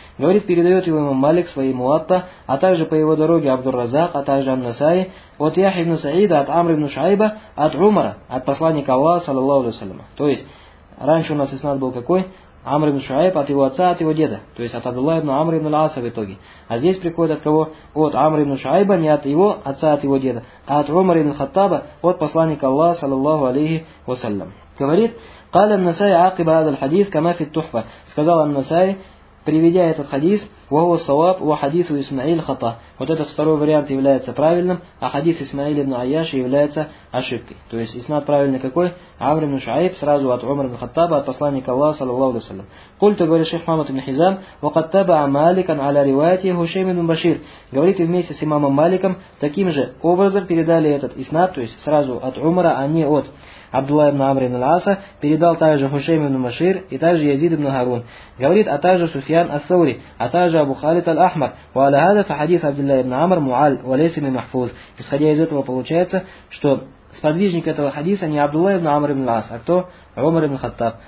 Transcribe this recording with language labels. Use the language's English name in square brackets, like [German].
[Russian] Говорит, передает его ему Малик, своему Муатта, а также по его дороге Абдур-Разак, а также Ан-Насаи, от Яхья ибн Саида, от Амра ибн Шайба, от Умара, от посланника Аллаха, саллаллаху алейхи ва саллям. То есть, раньше у нас иснад был какой? Амр ибн Шуайб от его отца, от его деда. То есть от Абдуллах ибн Амр ибн Ал-Аса в итоге. А здесь приходит от кого? От Амр ибн Шуайба, не от его отца, от его деда, а от Умара ибн Хаттаба, от посланника Аллаха, саллаллаху алейхи ва саллям. Говорит, [Arabic] قال النسائي عقب هذا الحديث كما في التحفة. [Russian] Сказал Ан-Насай, приведя этот хадис, [Arabic] وهو الصواب وحديث إسماعيل خطأ. [Russian] Вот этот второй вариант является правильным, а хадис Исмаиля ибн Айяша является ошибкой. То есть иснад правильный какой? Амр ибн Шуайб сразу от Умара ибн Хаттаба, от посланника Аллаха саллаллаху алейхи ва саллям. [Arabic] Культу [Russian] говорит шейх [Arabic] Мухаммад ибн Хизам, وقد تبع مالكا على روايته هشام بن بشير. [Russian] Говорит, и вместе с имамом Маликом таким же образом передали этот иснад, то есть сразу от Умара, а не от Абдулла ибн Амр ибн Аса, передал также Хушейм ибн Машир и также Язид ибн Харун. Говорит, а также Суфьян ас-Саури, а также Абу Халид аль-Ахмар. [Arabic] Ва аля хаза фа хадис Абдулла ибн Амр муаль, ва лейс ибн Махфуз. [Russian] Исходя из этого получается, что сподвижник этого хадиса не Абдулла ибн Амр ибн Ас, а кто? Умар ибн Хаттаб.